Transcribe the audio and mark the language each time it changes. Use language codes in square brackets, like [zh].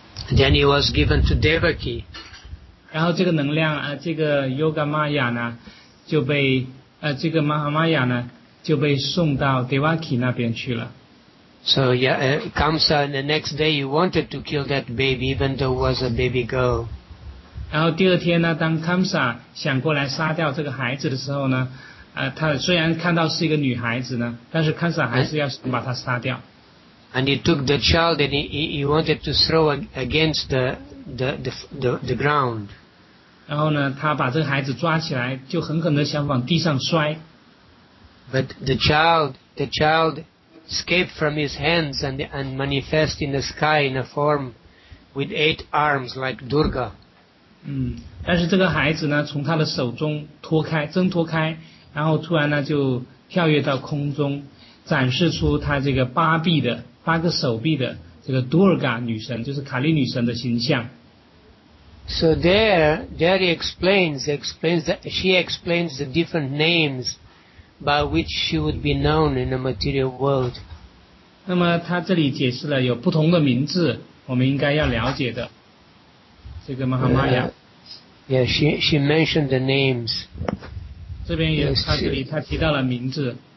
[en] Then he was given to Devaki. [zh] 然后这个能量这个 Yoga Maya 呢，就被这个 Mahamaya 呢，就被送到 Devaki 那边去了。 [en] So yeah, Kamsa, the next day you wanted to kill that baby, even though it was a baby girl. [zh] 然后第二天呢，当 Kamsa 想过来杀掉这个孩子的时候呢，他虽然看到是一个女孩子呢，但是 Kamsa 还是要想把她杀掉。 [en] And he took the child and he wanted to throw against the ground. [zh] 然后呢，他把这个孩子抓起来，就狠狠地想往地上摔。 [en] But the child. Escape from his hands and manifest in the sky in a form with eight arms like Durga. [zh] 但是这个孩子呢，从他的手中脱开，挣脱开，然后突然呢就跳跃到空中，展示出他这个八个手臂的这个 Durga 女神，就是卡利女神的形象。 [en] So there he explains that she explains the different names. By which she would be known in the material world. [zh] 那么他这里解释了有不同的名字，我们应该要了解的。这个 Mahamaya. [en] Yeah, she mentioned the names. [zh] 这边也他这里他提到了名字。